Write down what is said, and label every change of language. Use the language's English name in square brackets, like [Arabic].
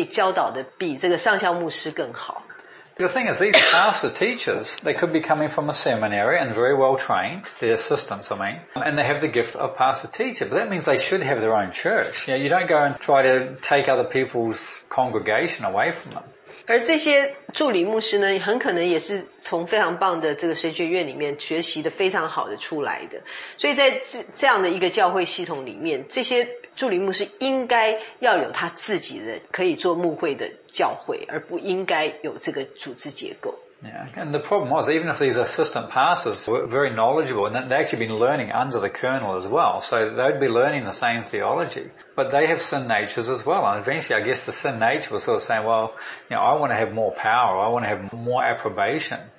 [Chinese] 结果呢，在那个教会里面就发生一些状况，就是那些助理的牧师呢，开始因为他们也教导的不错，他们就开始会形成自己的小圈圈。然后那些助理牧师就会开始想说，哎，也许我可以教导的比这个上校牧师更好。 [English] The thing is, these pastor teachers, they could be coming from a seminary and very well trained, the assistants, I mean, and they have the gift of pastor teacher, but that means they should have their own church. You know, you don't go and try to take other people's congregation away from them. [Chinese] 而这些助理牧师呢，很可能也是从非常棒的这个神学院里面学习的非常好的出来的，所以在这样的一个教会系统里面，这些助理牧师应该要有他自己的可以做牧会的教会，而不应该有这个组织结构。 [English] Yeah, and the problem was, even if these assistant pastors were very knowledgeable, and they'd actually been learning under the colonel as well, so they'd be learning the same theology, but they have sin natures as well. And eventually, I guess the sin nature was sort of saying, well, you know, I want to have more power, I want to have more approbation.